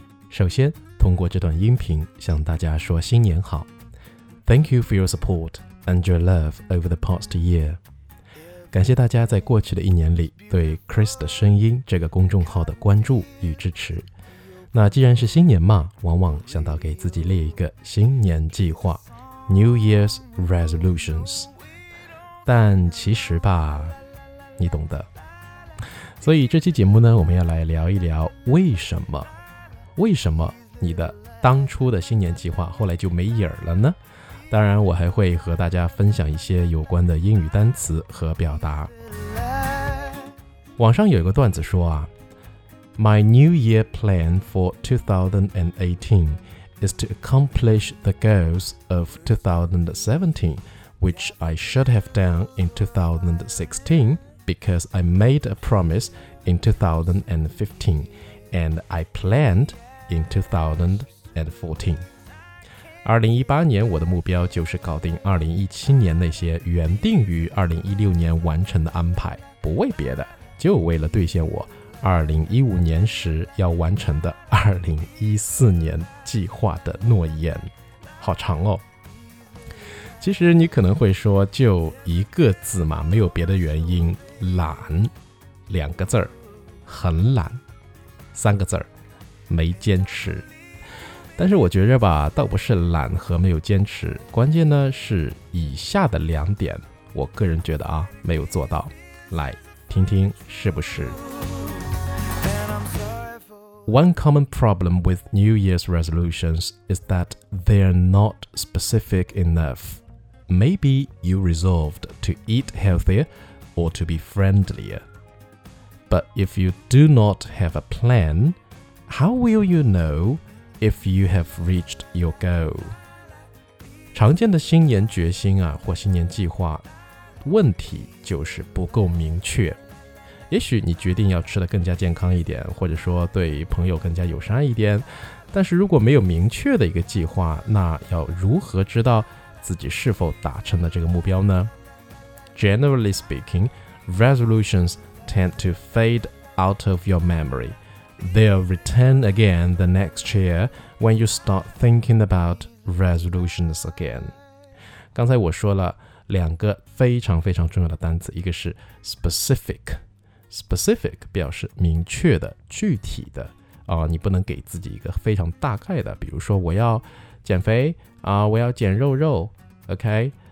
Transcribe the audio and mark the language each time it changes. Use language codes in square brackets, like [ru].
[zh] 首先，通过这段音频向大家说新年好。 [en] Thank you for your support and your love over the past year. [zh] 感谢大家在过去的一年里对 Chris 的声音这个公众号的关注与支持。那既然是新年嘛，往往想到给自己列一个新年计划 New Year's Resolutions。但其实吧，你懂的。所以这期节目呢，我们要来聊一聊为什么你的当初的新年计划后来就没影了呢？当然我还会和大家分享一些有关的英语单词和表达。网上有一个段子说啊， [en] My New Year plan for 2018 is to accomplish the goals of 2017, which I should have done in 2016,Because I made a promise in 2015, and I planned in 2014. [zh] 2018年我的目标就是搞定2017年那些原定于2016年完成的安排，不为别的，就为了兑现我2015年时要完成的2014年计划的诺言。好长哦。其实你可能会说，就一个字嘛，没有别的原因，懒，两个字儿，很懒，三个字儿，没坚持。但是我觉着吧，倒不是懒和没有坚持，关键呢是以下的两点，我个人觉得啊，没有做到。来听听是不是。 [en] One common problem with New Year's resolutions is that they're not specific enough. Maybe you resolved to eat healthier. Or to be friendlier. But if you do not have a plan, how will you know if you have reached your goal? [zh] 常见的新年决心啊，或新年计划，问题就是不够明确。也许你决定要吃得更加健康一点，或者说对朋友更加友善一点，但是如果没有明确的一个计划，那要如何知道自己是否达成了这个目标呢？ [en] Generally speaking, resolutions tend to fade out of your memory. They'll return again the next year when you start thinking about resolutions again. [zh] 刚才我说了两个非常非常重要的单词，一个是 specific. Specific 表示明确的、具体的、你不能给自己一个非常大概的，比如说我要减肥、我要减肉肉 ,OK?